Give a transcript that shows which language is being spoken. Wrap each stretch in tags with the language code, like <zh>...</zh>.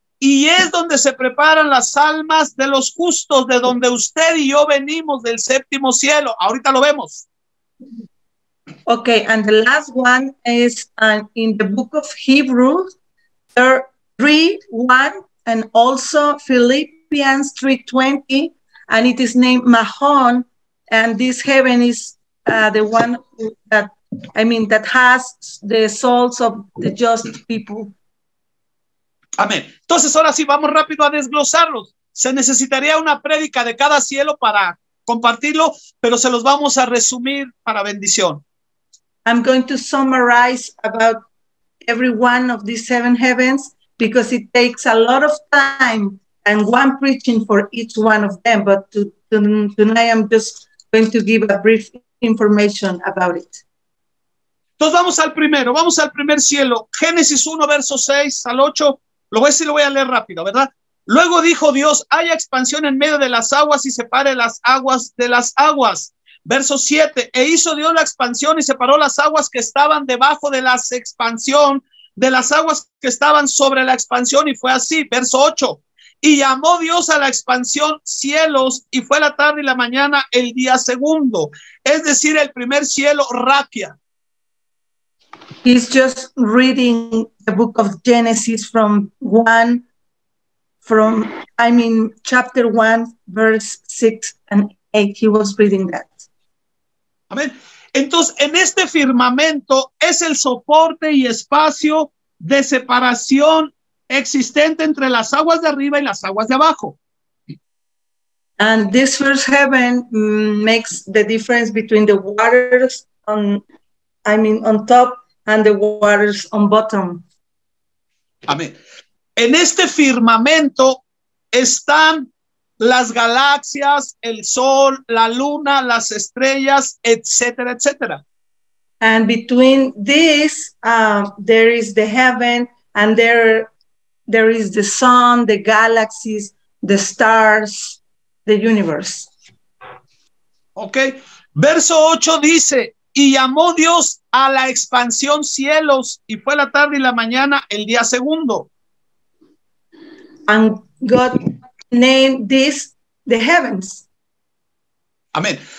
<es>Y es donde se preparan las almas de los justos, de donde usted y yo venimos, del séptimo cielo. Ahorita lo vemos.</es> <en>Okay, and the last one is in the book of Hebrews 3:1 and also Philippians 3:20, and it is named Mahon, and this heaven is the one that has the souls of the just people.</en> <es>Amén. Entonces, ahora sí, vamos rápido a desglosarlos. Se necesitaría una prédica de cada cielo para compartirlo, pero se los vamos a resumir para bendición.</es> <en>I'm going to summarize about every one of these seven heavens because it takes a lot of time and one preaching for each one of them, but tonight I'm just going to give a brief information about it.</en> <es>Entonces vamos al primer cielo. Génesis 1, verso 6 al 8. Lo voy a leer rápido, ¿verdad? Luego dijo Dios, haya expansión en medio de las aguas y separe las aguas de las aguas. Verso 7, e hizo Dios la expansión y separó las aguas que estaban debajo de la expansión, de las aguas que estaban sobre la expansión, y fue así. Verso 8, y llamó Dios a la expansión cielos, y fue la tarde y la mañana el día segundo, es decir, el primer cielo, Rapia.</es> <en>He's just reading the book of Genesis chapter 1, verse 6 and 8. He was reading that.</en> <es>Amén. Entonces, en este firmamento es el soporte y espacio de separación existente entre las aguas de arriba y las aguas de abajo.</es> <en>And this first heaven makes the difference between the waters on top and the waters on bottom.</en> <es>Amén. En este firmamento están las galaxias, el sol, la luna, las estrellas, etcétera, etcétera.</es> <en>And between this, there is the heaven, and there is the sun, the galaxies, the stars, the universe. Okay.</en> <es>Verso 8 dice, y llamó Dios a la expansión cielos, y fue la tarde y la mañana el día segundo.</es> <en>And God named this the heavens.</en> <es>Amén.</es>